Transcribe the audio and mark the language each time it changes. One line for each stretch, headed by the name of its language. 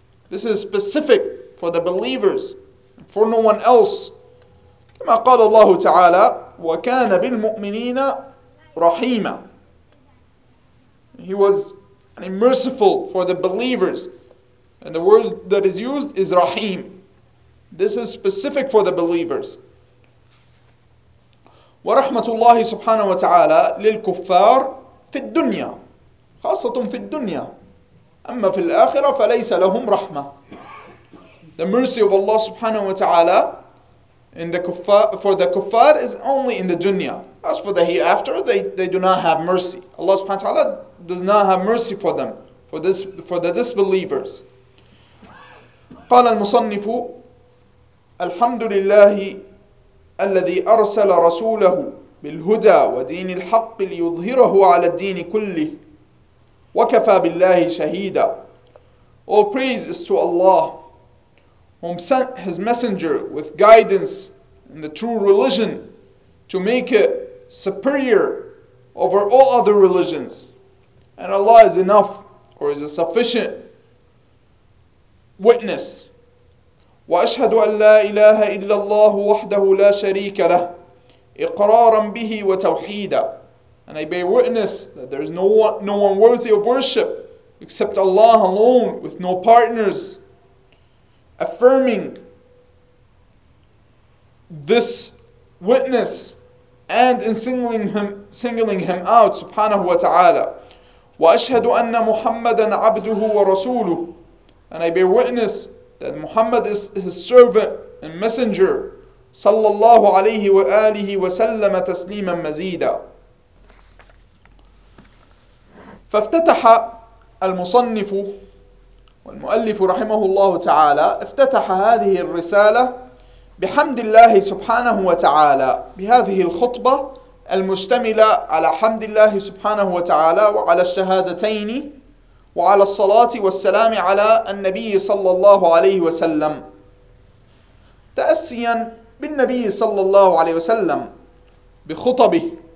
English: This is specific for the believers, for no one else.
Arabic: كما قال الله تعالى وكان بالمؤمنين رحيما.
English: He was merciful for the believers. And the word that is used is رحيم. This is specific for the believers.
Arabic: ورحمة الله سبحانه وتعالى للكفار في الدنيا خاصة في الدنيا أما في الآخرة فليس لهم رحمة.
English: The mercy of Allah subhanahu wa ta'ala for the kuffar is only in the dunya. As for the hereafter, they do not have mercy. Allah subhanahu wa ta'ala does not have mercy for them, for the disbelievers.
Arabic: قال المصنف الحمد لله الذي أرسل رسوله بالهدى ودين الحق ليظهره على الدين كله وكفى بالله شهيدا.
English: All praise is to Allah, whom sent his messenger with guidance in the true religion to make it superior over all other religions. And Allah is enough, or is a sufficient witness.
Arabic: وأشهد أن لا إله إلا الله وحده لا شريك له إقرارا به وتوحيدا.
English: And I bear witness that there is no one worthy of worship except Allah alone, with no partners. Affirming this witness and in singling him out, subhanahu wa ta'ala.
Arabic: وأشهد أن محمدا عبده ورسوله.
English: And I bear witness that Muhammad is his servant and messenger, sallallahu alayhi wa alihi wa sallama tasliman mazida.
Arabic: فافتتح المصنف والمؤلف رحمه الله تعالى افتتح هذه الرسالة بحمد الله سبحانه وتعالى بهذه الخطبة المشتملة على حمد الله سبحانه وتعالى وعلى الشهادتين وعلى الصلاة والسلام على النبي صلى الله عليه وسلم تأسيا بالنبي صلى الله عليه وسلم بخطبه.